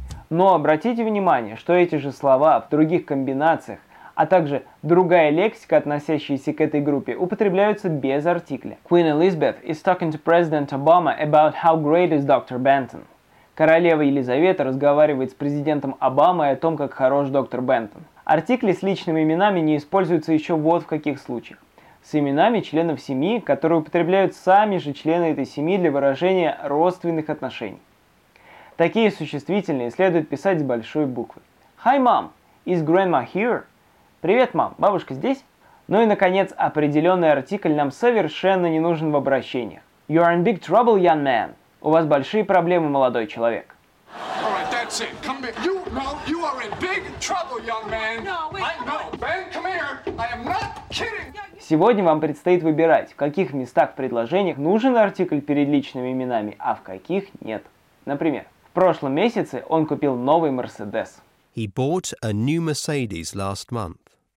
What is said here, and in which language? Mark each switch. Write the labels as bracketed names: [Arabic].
[Russian] Но обратите внимание, что эти же слова в других комбинациях, а также другая лексика, относящаяся к этой группе, употребляются без артикля. [English] Queen Elizabeth is talking to President Obama about how great is Dr. Benton. [Russian] Королева Елизавета разговаривает с президентом Обамой о том, как хорош доктор Бентон. Артикли с личными именами не используются еще вот в каких случаях. С именами членов семьи, которые употребляют сами же члены этой семьи для выражения родственных отношений. Такие существительные следует писать с большой буквы. [English] Hi, mom. Is grandma here? [Russian] Привет, мам. Бабушка здесь? Ну и, наконец, определенный артикль нам совершенно не нужен в обращениях. [English] You are in big trouble, young man. [Russian] У вас большие проблемы, молодой человек. [English] All right, that's it. Come here. You, no, you are in big trouble, young man. No, wait. Ben, come here. I am not kidding. [Russian] Сегодня вам предстоит выбирать, в каких местах в предложениях нужен артикль перед личными именами, а в каких нет. Например, в прошлом месяце он купил новый Mercedes. [English] He bought a new Mercedes last month.